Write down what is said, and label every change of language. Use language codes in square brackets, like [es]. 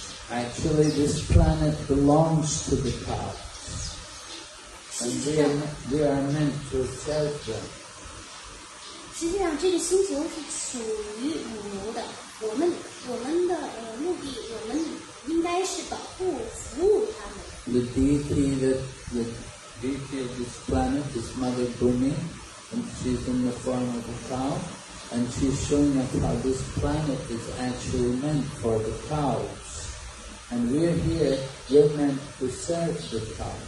[en] Actually, this planet belongs to the cows, and they are meant to serve them. [zh] 实际上，这个星球是属于母牛的。我们的目的，我们应该是保护、服务它们。 [en] The deity that of this planet is Mother Bhumi, and she's in the form of a cow, and she's showing us how this planet is actually meant for the cows. And we're here, we're meant to serve the cow.